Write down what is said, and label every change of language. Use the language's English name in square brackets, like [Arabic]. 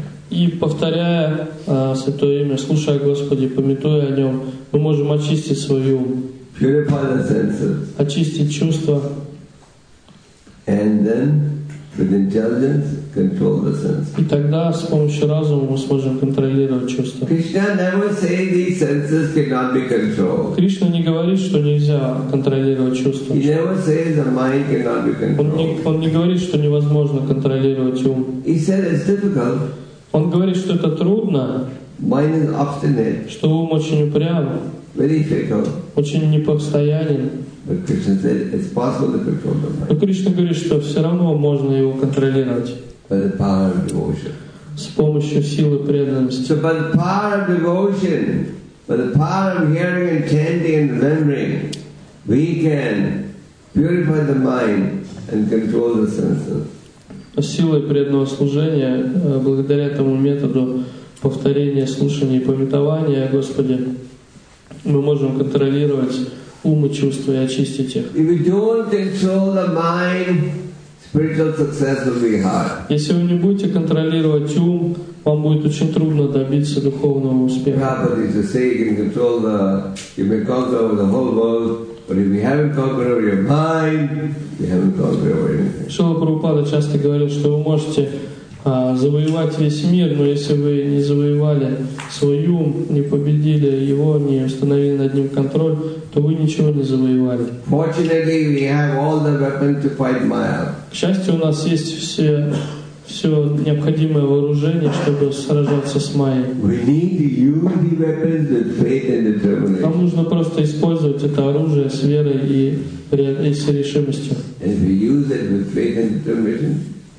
[Russian] И повторяя Святое Имя, слушая Господи, памятуя о Нем, мы можем очистить свой ум, [English] purify the senses, [Russian] очистить чувства, [English] and then with intelligence control the senses. [Russian] И тогда с помощью разума мы сможем контролировать чувства. [English] Krishna never says these senses cannot be controlled. [Russian] Кришна не говорит, что нельзя контролировать чувства. [English] He never says the mind cannot be controlled. [Russian] Он не говорит, что невозможно контролировать ум. [English] He said it's difficult. [Russian] Он говорит, что это трудно. [English] Mind is obstinate. [Russian] Что ум очень упрям. [English] Very fickle. [Russian] Очень непостоянен. [English] But Krishna said it's possible to control the mind. [Russian] Но Кришна говорит, что все равно можно его контролировать. [English] By the power of devotion. [Russian] С помощью силы преданности. [English] So by the power of devotion, by the power of hearing and chanting and remembering, we can purify the mind and control the senses. [Russian] Силой преданного служения, благодаря этому методу повторения, слушания и памятования о Господе, мы можем контролировать ум и чувства и очистить их. [English] If you don't control the mind, spiritual success will be hard. [Russian] Если вы не будете контролировать ум, вам будет очень трудно добиться духовного успеха. [English] Prabhupada used to say, you can control the, you may conquer over the whole world, but if you haven't conquered over your mind, you haven't conquered over anything. [Russian] Шрила Прабхупада часто говорил, что вы можете завоевать весь мир, но если вы не завоевали свой ум, не победили его, не установили над ним контроль, то вы ничего не завоевали. [English] Fortunately, we have all the weapons to fight Maya. [Russian] К счастью, у нас есть все, все необходимое вооружение, чтобы сражаться с Майей. [English] We need to use the weapons with faith and determination. [Russian] Нам нужно просто использовать это оружие с верой и с решимостью. [English] And we use it with faith and determination.